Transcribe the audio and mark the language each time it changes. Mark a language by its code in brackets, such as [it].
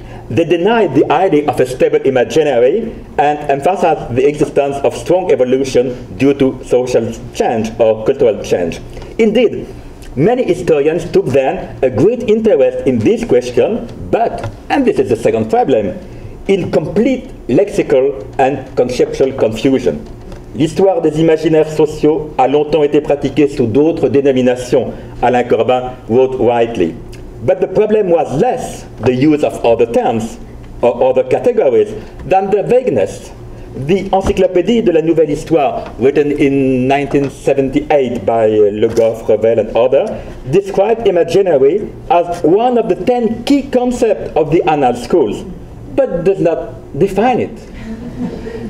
[en] They denied the idea of a stable imaginary and emphasized the existence of strong evolution due to social change or cultural change. Indeed, many historians took then a great interest in this question, but, and this is the second problem, in complete lexical and conceptual confusion. [fr] L'histoire des imaginaires sociaux a longtemps été pratiquée sous d'autres dénominations, Alain Corbin [en] wrote rightly. But the problem was less the use of other terms or other categories than the vagueness. the Encyclopédie de la Nouvelle Histoire, written in 1978 by Le Goff, Revel, and others, described imaginary as one of the 10 key concepts of the annals schools, but does not define it.